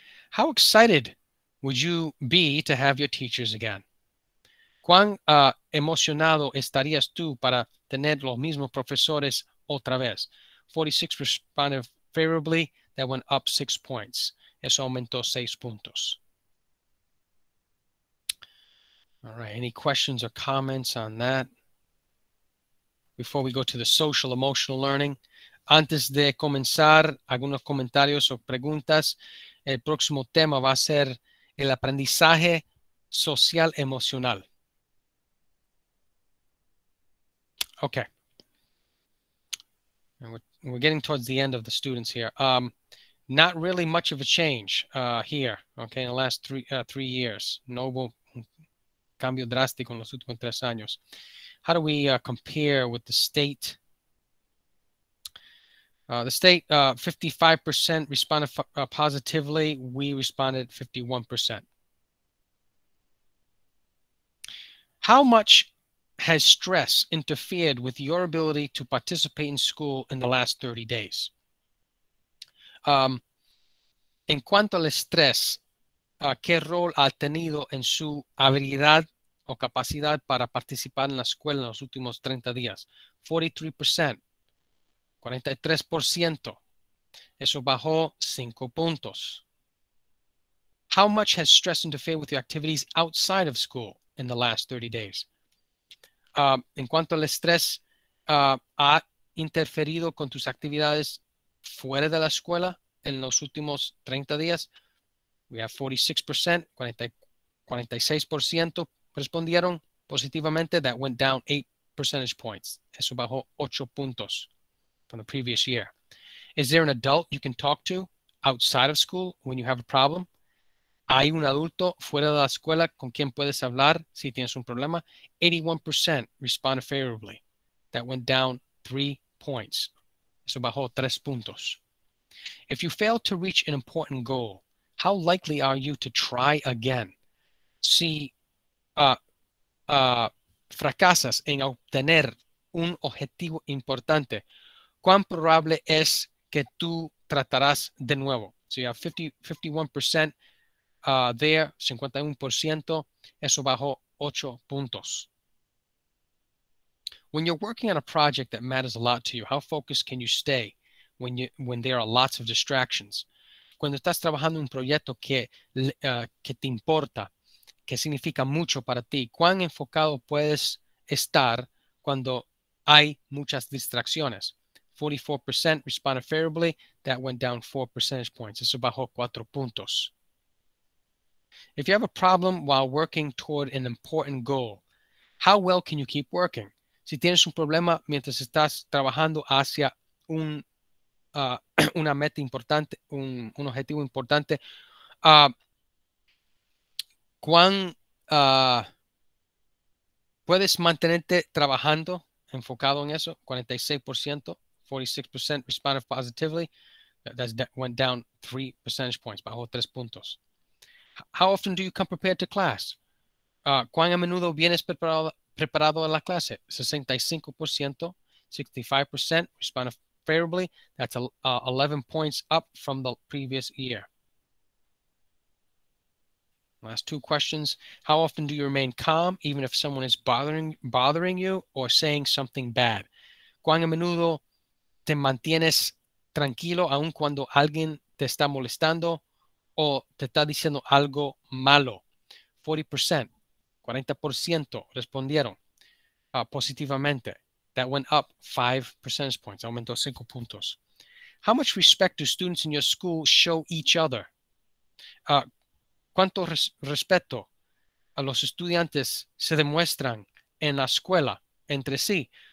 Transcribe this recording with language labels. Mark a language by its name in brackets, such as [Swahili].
[English] How excited would you be to have your teachers again? [Spanish] ¿Cuán emocionado estarías tú para tener los mismos profesores otra vez? [English] 46 responded favorably. That went up 6 points. [Spanish] Eso aumentó 6 puntos. [English] All right, any questions or comments on that? Before we go to the social emotional learning, [Spanish] antes de comenzar, algunos comentarios o preguntas. El próximo tema va a ser el aprendizaje social emocional. [English] Okay. And we're getting towards the end of the students here. Not really much of a change here, okay, in the last three years. [Spanish] No cambio drástico en los últimos tres años. [English] How do we compare with the state? The state, 55% responded positively. We responded 51%. How much has stress interfered with your ability to participate in school in the last 30 days? [Spanish] En cuanto al estrés, ¿qué rol ha tenido en su habilidad o capacidad para participar en la escuela en los últimos 30 días? [English] 43%. 43%. [Spanish] Eso bajó 5 puntos. [English] How much has stress interfered with your activities outside of school in the last 30 days? [Spanish] En cuanto al estrés, ¿ha interferido con tus actividades fuera de la escuela en los últimos 30 días? [English] We have 46%, 46% [Spanish] respondieron positivamente. [English] That went down 8 percentage points. [Spanish] Eso bajó 8 puntos [English] from the previous year. Is there an adult you can talk to outside of school when you have a problem? [Spanish] ¿Hay un adulto fuera de la escuela con quien puedes hablar si tienes un problema? [English] 81% responded favorably. That went down 3 points. [Spanish] Eso bajó 3 puntos. [English] If you fail to reach an important goal, how likely are you to try again? [Spanish] Si fracasas en obtener un objetivo importante, ¿cuán probable es que tú tratarás de nuevo? [English] So you have 51% there, 51%. [Spanish] Eso bajó 8 puntos. [English] When you're working on a project that matters a lot to you, how focused can you stay when there are lots of distractions? [Spanish] Cuando estás trabajando un proyecto que te importa, que significa mucho para ti, ¿cuán enfocado puedes estar cuando hay muchas distracciones? [English] 44% responded favorably. That went down 4 percentage points. [Spanish] Eso bajó 4 puntos. [English] If you have a problem while working toward an important goal, how well can you keep working? [Spanish] Si tienes un problema mientras estás trabajando hacia una meta importante, un objetivo importante, ¿cuán puedes mantenerte trabajando enfocado en eso? [English] 46%. 46% responded positively. That went down 3 percentage points. [Spanish] Bajó 3 puntos. [English] How often do you come prepared to class? [Spanish] ¿Cuán a menudo vienes preparado a la clase? [English] 65%. 65% responded favorably. That's 11 points up from the previous year. Last two questions. How often do you remain calm, even if someone is bothering you or saying something bad? [Spanish] ¿Cuán a menudo te mantienes tranquilo aun cuando alguien te está molestando o te está diciendo algo malo? 40%, 40% respondieron positivamente. [English] That went up 5 percentage points, [Spanish] aumentó 5 puntos. [English] How much respect do students in your school show each other? [Spanish] ¿Cuánto respeto a los estudiantes se demuestran en la escuela entre sí?